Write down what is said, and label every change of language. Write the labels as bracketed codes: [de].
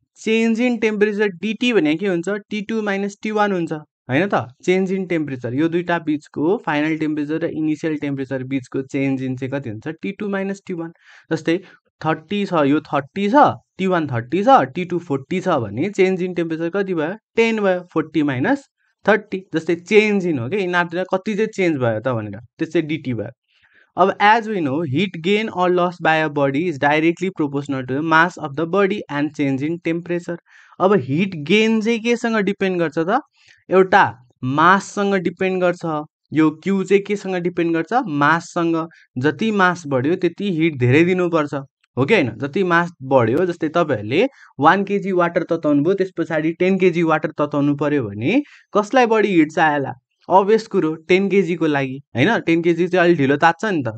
[ne] Change in temperature dt भने के हुन्छ, टी2 माइनस टी1 हुन्छ होइन त, चेन्ज इन टेम्परेचर यो दुईवटा बिचको फाइनल टेम्परेचर र इनिसियल टेम्परेचर बिचको चेन्ज इन चाहिँ कति हुन्छ, टी2 माइनस टी1। जस्तै 30 छ, यो 30 छ, टी1 30 छ, टी2 40 छ भने चेन्ज इन टेम्परेचर कति भयो, 10 भयो, 40 माइनस 30। जस्तै चेन्ज इन हो कि यिनीहरू कति चाहिँ चेन्ज भयो त भनेर, त्यो चाहिँ डिटी भयो। अब [en] As we know heat gain or loss by a body is directly proportional to the mass of the body and change in temperature. [ne] अब हिट गेन चाहिँ केसँग डिपेन्ड गर्छ त, एउटा माससँग डिपेन्ड गर्छ, यो क्यू चाहिँ केसँग डिपेन्ड गर्छ, माससँग। जति मास बढ्यो त्यति हिट धेरै दिनुपर्छ हो कि होइन, जति मास बढ्यो, जस्तै तपाईँहरूले 1 केजी वाटर तताउनु भयो त्यस पछाडि 10 केजी वाटर तताउनु पऱ्यो भने कसलाई बढी हिट चाहियो होला, अभियस कुरो 10 केजीको लागि होइन, 10 केजी चाहिँ अलिक ढिलो तात्छ नि त।